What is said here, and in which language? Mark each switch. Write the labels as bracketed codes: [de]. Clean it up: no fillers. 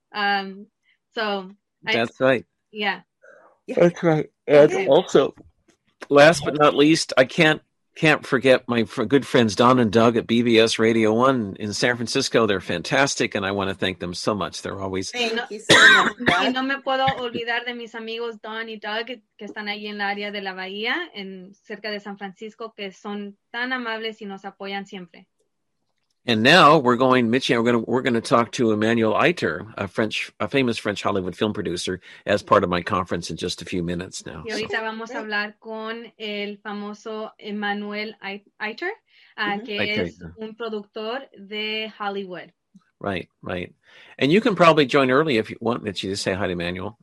[en] That's right. Yeah. That's right. And also, last but not least, I can't forget my good friends Don and Doug at BBS Radio 1 in San Francisco. They're fantastic, and I want to thank them so much. They're always... Thank you so much. [es] Y no me puedo olvidar de mis amigos Don y Doug, que están ahí en el área de la Bahía, en cerca de San Francisco, que son tan amables y nos apoyan siempre. [en] And now we're going to talk to Emmanuel Eiter, a famous French Hollywood film producer, as part of my conference in just a few minutes now. [es] Y ahorita vamos a hablar con el famoso Emmanuel Eiter, que es un productor de Hollywood. [en] Right. And you can probably join early if you want, Michi, to say hi to Emmanuel.